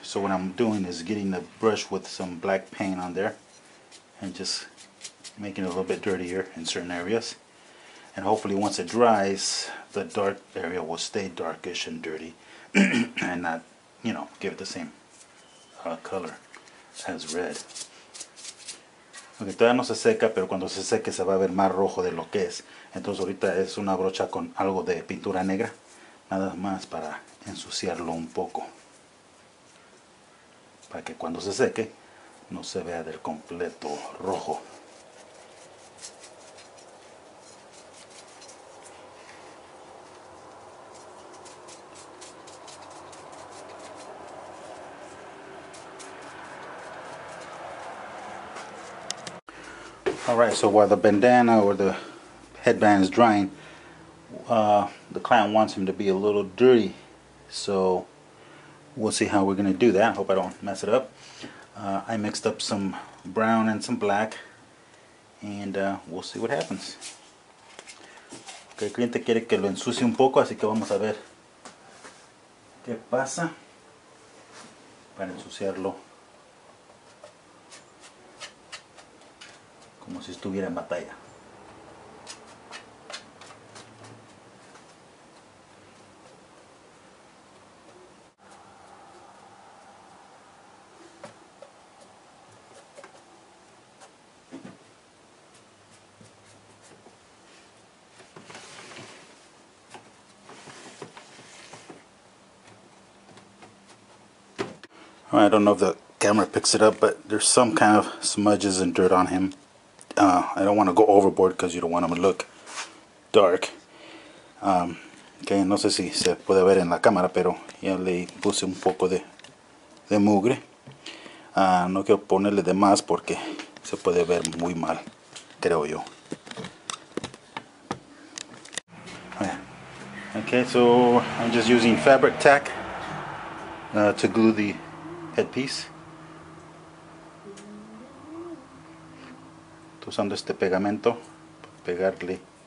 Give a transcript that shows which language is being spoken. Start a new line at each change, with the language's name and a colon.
English: So what I'm doing is getting the brush with some black paint on there and just making it a little bit dirtier in certain areas. And hopefully once it dries, the dark area will stay darkish and dirty and not, give it the same color as red.
Spanish: Okay, todavía no se seca, pero cuando se seque se va a ver más rojo de lo que es. Entonces ahorita es una brocha con algo de pintura negra. Nada más para ensuciarlo un poco. Para que cuando se seque, no se vea del completo rojo.
English: Alright, so while the bandana or the headband is drying, the client wants him to be a little dirty, so we'll see how we're going to do that. Hope I don't mess it up. I mixed up some brown and some black, and we'll see what happens.
Spanish: Okay, el cliente quiere que lo ensucie un poco, así que vamos a ver qué pasa para ensuciarlo como si estuviera en batalla.
English: I don't know if the camera picks it up, but there's some kind of smudges and dirt on him. I don't want to go overboard because you don't want him to look dark.
Spanish: Okay, no sé si se puede ver en la cámara, pero ya le puse un poco de mugre. No quiero ponerle de más porque se puede ver muy mal, creo yo.
English: Okay, so I'm just using fabric tack to glue the headpiece.
Spanish: Estoy usando este pegamento para pegarle.